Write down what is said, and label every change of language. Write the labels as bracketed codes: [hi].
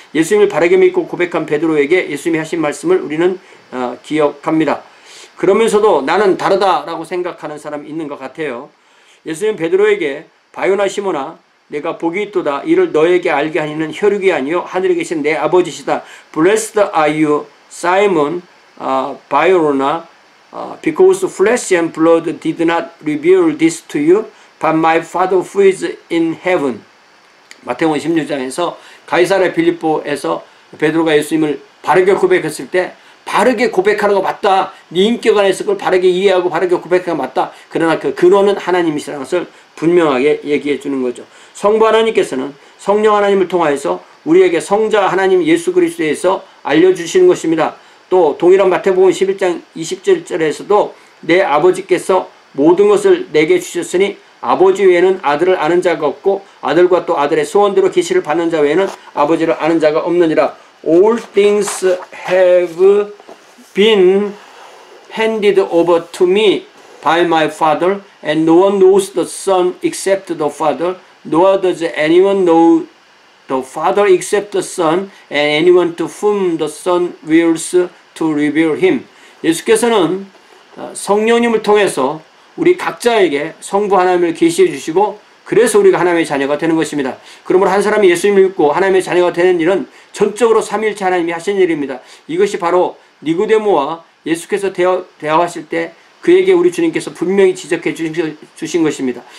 [ko] 예수님을 바르게 믿고 고백한 베드로에게 예수님이 하신 말씀을 우리는 기억합니다. 그러면서도 나는 다르다라고 생각하는 사람이 있는 것 같아요. 예수님은 베드로에게 바요나 시모나 내가 복이 있도다 이를 너에게 알게 하니는 혈육이 아니요 하늘에 계신 내 아버지시다. [en] Blessed are you, Simon, Bayona, because flesh and blood did not reveal this to you, but my Father who is in heaven. [ko] 마태복음 16장에서 가이사랴 빌립보에서 베드로가 예수님을 바르게 고백했을 때 바르게 고백하는 거 맞다. 네 인격 안에서 그걸 바르게 이해하고 바르게 고백하는 거 맞다. 그러나 그 근원은 하나님이시라는 것을 분명하게 얘기해 주는 거죠. 성부 하나님께서는 성령 하나님을 통하여서 우리에게 성자 하나님 예수 그리스도에서 알려주시는 것입니다. 또 동일한 마태복음 11장 27절에서도 내 아버지께서 모든 것을 내게 주셨으니 아버지 외에는 아들을 아는 자가 없고 아들과 또 아들의 소원대로 계시를 받는 자 외에는 아버지를 아는 자가 없느니라. [en] All things have been handed over to me by my father, and no one knows the son except the father, nor does anyone know the father except the son, and anyone to whom the son wills to reveal him. [ko] 예수께서는 성령님을 통해서 우리 각자에게 성부 하나님을 계시해 주시고 그래서 우리가 하나님의 자녀가 되는 것입니다. 그러므로 한 사람이 예수님을 믿고 하나님의 자녀가 되는 일은 전적으로 삼일체 하나님이 하신 일입니다. 이것이 바로 니고데모와 예수께서 대화하실 때 그에게 우리 주님께서 분명히 지적해 주신 것입니다.